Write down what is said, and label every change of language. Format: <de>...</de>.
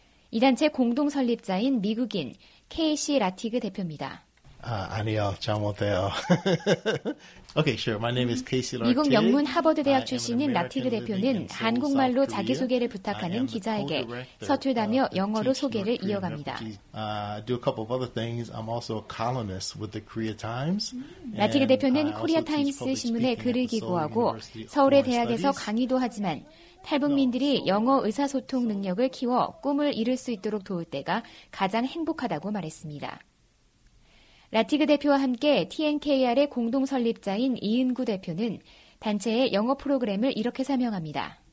<ko>이 단체 공동 설립자인 미국인 KC 라티그 대표입니다. 아, 아니요. 잘못해요.</ko> <en>Okay, sure. My name is Casey Lartigue.</en> <ko>미국 영문 하버드 대학 출신인 라티그 대표는 한국말로 자기소개를 부탁하는 기자에게 서툴다며 영어로 소개를 이어갑니다.</ko> <en>Do a couple of other things. I'm also a columnist with the Korea Times.</en> <ko>라티그 대표는 코리아 타임스 신문에 글을 기고하고 서울의 대학에서 강의도 하지만 탈북민들이 영어 의사소통 능력을 키워 꿈을 이룰 수 있도록 도울 때가 가장 행복하다고 말했습니다. 라티그 대표와 함께 TNKR의 공동 설립자인 이은구 대표는 단체의 영어 프로그램을 이렇게 설명합니다.</ko>